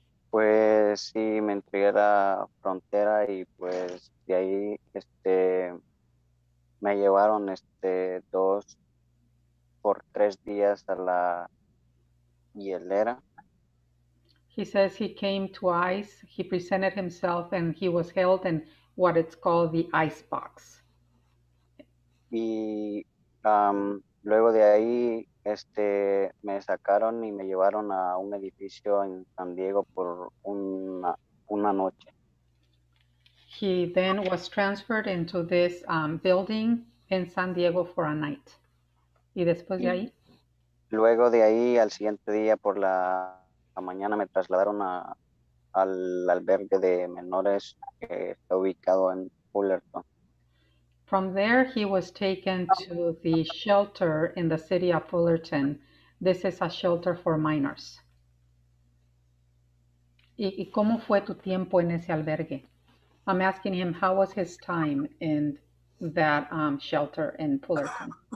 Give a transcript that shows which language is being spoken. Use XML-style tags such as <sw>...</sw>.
<es>Pues sí, me entregué a la frontera y pues de ahí me llevaron dos por tres días a la hielera.</es> <en>He says he came to ICE, he presented himself and he was held in what it's called the ICE box.</en> <es>Y luego de ahí me sacaron y me llevaron a un edificio en San Diego por una noche.</es> <en>He then was transferred into this building in San Diego for a night.</en> <es>¿Y después de ahí? Luego de ahí, al siguiente día por la mañana, me trasladaron al albergue de menores que está ubicado en Fullerton.</es> <en>From there, he was taken to the shelter in the city of Fullerton. This is a shelter for minors.</en> <es>¿Y cómo fue tu tiempo en ese albergue?</es> <en>I'm asking him, how was his time in that shelter in Fullerton?</en>